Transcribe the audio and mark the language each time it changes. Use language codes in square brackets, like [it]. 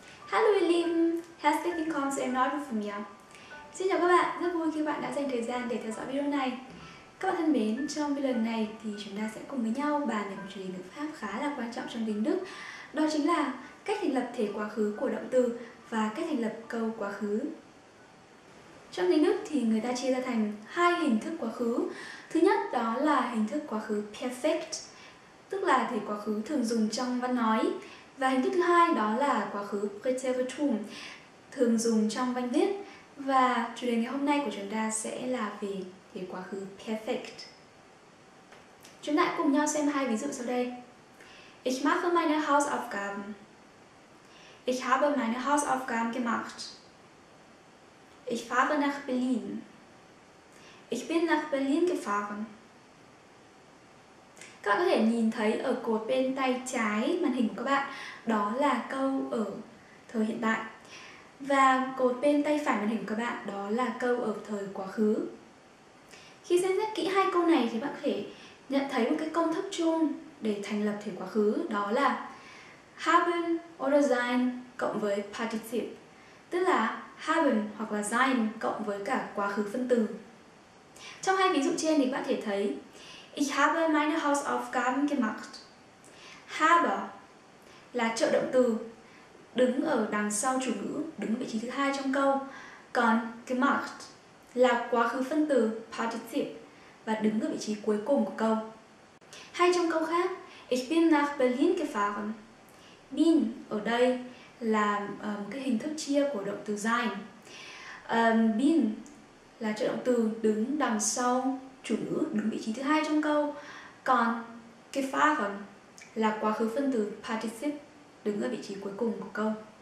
[de] Hallo ihr Lieben, herzlich willkommen zu einem neuen Video von mir. [vi] Xin chào các bạn, rất vui khi bạn đã dành thời gian để theo dõi video này. Các bạn thân mến, trong video này thì chúng ta sẽ cùng với nhau bàn về một chủ đề ngữ pháp khá là quan trọng trong tiếng Đức. Đó chính là cách thành lập thể quá khứ của động từ và cách thành lập câu quá khứ. Trong tiếng Đức thì người ta chia ra thành hai hình thức quá khứ. Thứ nhất đó là hình thức quá khứ perfect, tức là thể quá khứ thường dùng trong văn nói. Và hình thức thứ hai đó là quá khứ preteritum, thường dùng trong văn viết. Và chủ đề ngày hôm nay của chúng ta sẽ là về thể quá khứ perfect. Chúng ta hãy cùng nhau xem hai ví dụ sau đây. [de] Ich mache meine Hausaufgaben. Ich habe meine Hausaufgaben gemacht. Ich fahre nach Berlin. Ich bin nach Berlin gefahren. [vi] Các bạn có thể nhìn thấy ở cột bên tay trái màn hình của các bạn, đó là câu ở thời hiện tại. Và cột bên tay phải màn hình của các bạn, đó là câu ở thời quá khứ. Khi xem xét kỹ hai câu này thì bạn có thể nhận thấy một cái công thức chung để thành lập thể quá khứ, đó là [de] haben oder sein [vi] cộng với particip, tức là haben hoặc là sein cộng với cả quá khứ phân từ. Trong hai ví dụ trên thì bạn có thể thấy [de] Ich habe meine Hausaufgaben gemacht. [vi] Habe là trợ động từ đứng ở đằng sau chủ ngữ, đứng ở vị trí thứ hai trong câu. Còn gemacht là quá khứ phân từ particip và đứng ở vị trí cuối cùng của câu. Hay trong câu khác, [de] Ich bin nach Berlin gefahren. [vi] Bin ở đây là cái hình thức chia của động từ sein. Bin là trợ động từ đứng đằng sau chủ ngữ, đứng vị trí thứ hai trong câu. Còn gefahren là quá khứ phân từ particip, đứng ở vị trí cuối cùng của câu.